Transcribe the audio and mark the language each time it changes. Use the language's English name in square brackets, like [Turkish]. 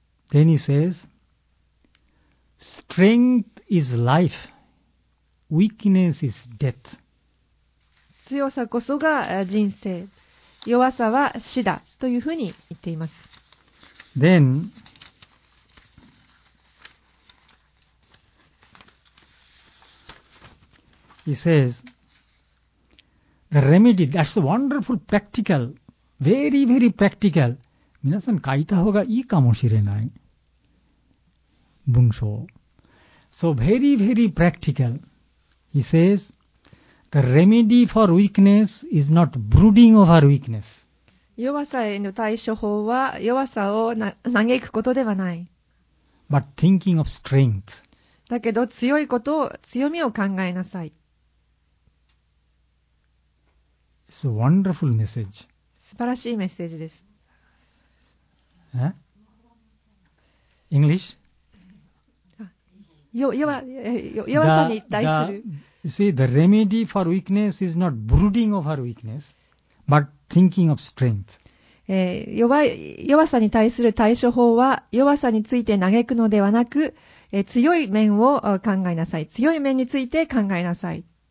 [English] Then he says, strength is life, weakness is death. [Japanese] 強さこそが人生、弱さは死だというふうに言っています。 [English] Then, he says, the remedy, that's a wonderful practical. Very, very practical. [Japanese] 皆さん書いた方がいいかもしれない。 [English] 文章。So, very, very practical. He says, the remedy for weakness is not brooding over weakness. [Japanese] 弱さへの対処法は弱さを嘆くことではない。 [English] But thinking of strength. [Japanese] だけど強いことを、強みを考えなさい。 [English] It's a wonderful message. [Japanese] 素晴らしいメッセージです。 [English] English? [Japanese] 弱さに対する。 [English] You see, the remedy for weakness is not brooding over weakness, but thinking of strength. [Japanese] 弱さに対する対処法は、弱さについて嘆くのではなく、強い面を考えなさい。強い面について考えなさい。